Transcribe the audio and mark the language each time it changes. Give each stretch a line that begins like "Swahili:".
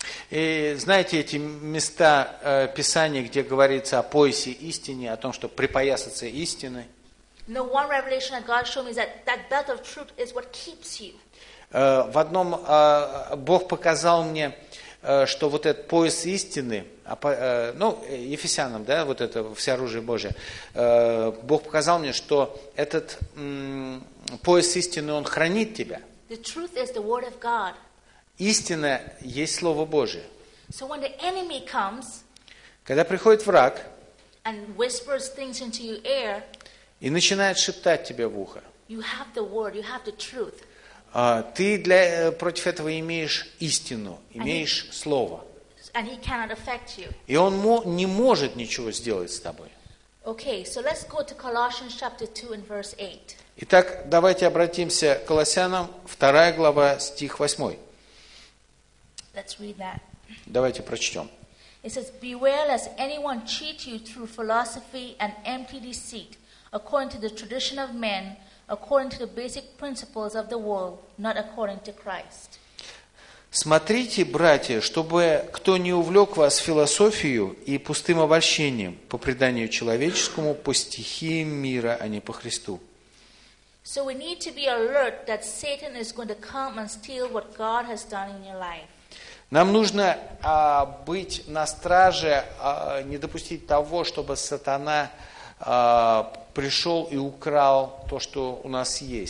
Russian: И знаете эти места Писания, где говорится о поясе истины, о том, чтобы припоясаться истиной?
English: The one revelation that God showed me is that belt of truth is what keeps you.
Russian: В одном Бог показал мне, что вот этот пояс истины, ну, Ефесянам, да, вот это всеоружие Божие, Бог показал мне, что этот пояс истины, он хранит тебя.
English: The truth is the word of God.
Russian: Истина есть Слово Божие.
English: So when the enemy comes,
Russian: когда приходит враг
English: and whispers things into your ear,
Russian: и начинает шептать тебе в ухо,
English: you have the word, you have the truth.
Russian: Ты против этого имеешь истину, имеешь слово.
English: And he cannot affect you.
Russian: И он не может ничего сделать с тобой.
English: Okay, so let's go to Colossians chapter 2 and verse 8.
Russian: Итак, давайте обратимся к Колоссянам, 2 глава, стих 8.
English: Let's read that.
Russian: Давайте прочтем.
English: It says, "Beware lest anyone cheat you through philosophy and empty deceit, according to the tradition of men, according to the basic principles of the world, not according to Christ."
Russian: Смотрите, братья, чтобы кто не увлек вас философию и пустым обольщением по преданию человеческому, по стихиям мира, а не по Христу.
English: So we need to be alert that Satan is going to come and steal what God has done in your life.
Russian: Нам нужно быть на страже, не допустить того, чтобы сатана пришел и украл то, что у нас